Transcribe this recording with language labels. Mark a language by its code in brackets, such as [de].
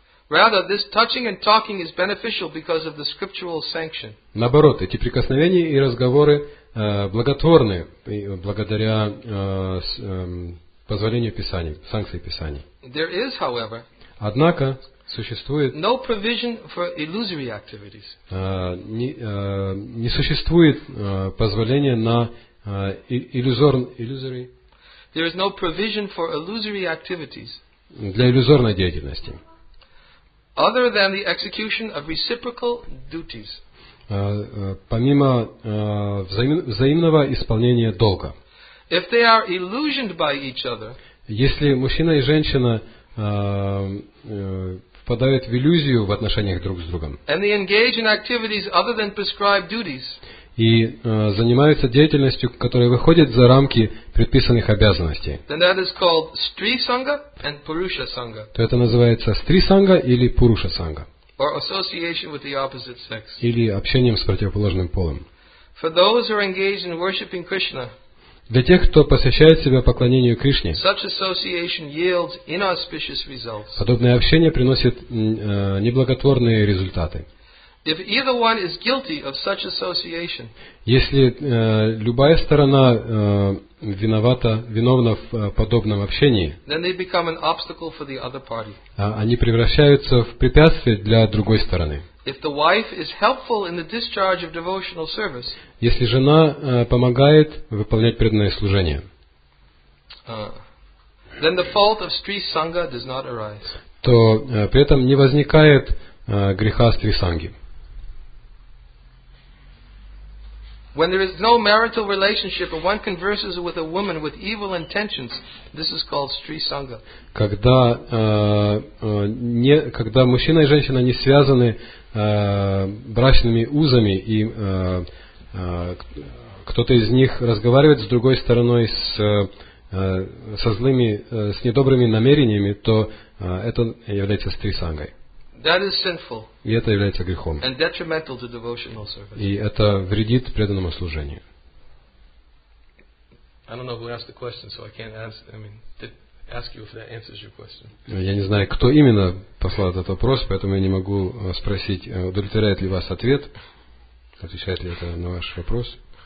[en] Rather, this touching and talking is beneficial because of the scriptural sanction. [ru] Наоборот, эти прикосновения и разговоры благотворны благодаря позволению Писаний, санкции Писаний. [en] There is, however, [ru] однако, существует, [en] no provision for illusory activities. [ru] Не существует позволения на иллюзорный. [en] There is no provision for illusory activities. [ru] Для иллюзорной деятельности. [en] Other than the execution of reciprocal duties. [ru] Помимо взаимного исполнения долга. [en] If they are illusioned by each other. [ru] Если мужчина и женщина впадают в иллюзию в отношениях друг с другом. [en] And they engage in activities other than prescribed duties. [ru] И занимаются деятельностью, которая выходит за рамки предписанных обязанностей. [en] Then that is called Stri-sanga and Purusha-sanga. [ru] То это называется Stri-sanga или Purusha-sanga. [en] Or association with the opposite sex. [ru] Или общением с противоположным полом. [en] For those who are engaged in worshiping Krishna. [ru] Для тех, кто посвящает себя поклонению Кришне, [en] such association yields inauspicious results. [ru] Подобное общение приносит неблаготворные результаты. [en] If either one is guilty of such association, [ru] если любая сторона виновна в подобном общении, [en] then they become an obstacle for the other party. [ru] Они превращаются в препятствие для другой стороны. [en] If the wife is helpful in the discharge of devotional service, [ru] если жена помогает выполнять преданное служение, [en] then the fault of Stri Sangha does not arise. [ru] То при этом не возникает греха Стри Санги. [en] When there is no marital relationship and one converses with a woman with evil intentions, this is called Stri Sangha. [ru] Когда мужчина и женщина не связаны брачными узами, и кто-то из них разговаривает с другой стороной с недобрыми намерениями, то это является стрисангой. [en] That is sinful. [ru] И это является грехом. [en] And detrimental to devotional service. [ru] И это вредит преданному служению. [en] I don't know who asked the question, so I can't ask you if that answers your question. [ru] Я не знаю, кто именно послал этот вопрос, поэтому я не могу спросить, удовлетворяет ли вас ответ, отвечает ли это на ваш вопрос.